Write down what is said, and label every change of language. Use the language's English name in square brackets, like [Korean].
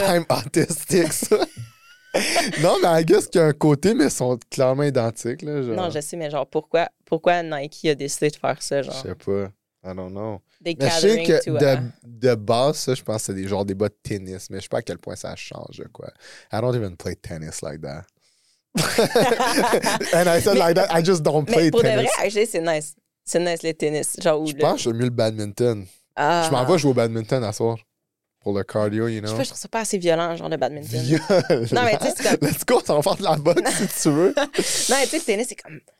[French] comme [English] I'm autistic, [French] ça. Non, mais [English] I guess [French] qu'il y a un côté, mais ils sont clairement identiques, là, genre. Non, je sais, mais genre, pourquoi Nike a décidé de faire ça, genre? Je sais pas. [English] I don't know. [French] Mais je sais que de base, ça, je pense que c'est des bas de tennis, mais je sais pas à quel point ça change, quoi. [English] I don't even play tennis like that. And I said like that, I just don't play tennis. [French] Mais pour de vrai, actually, c'est nice. C'est nice, le tennis. Genre, je pense que j'aime mieux le badminton. Ah. Je m'en vais jouer au badminton à soir. Pour le cardio, [English] you know. [French] Je trouve ça pas assez violent, genre, le badminton. Violent. Non, mais tu sais, c'est comme... [English] Let's go, [French] t'en vas faire de la boxe, si tu veux. Non, mais tu sais, le tennis, c'est comme...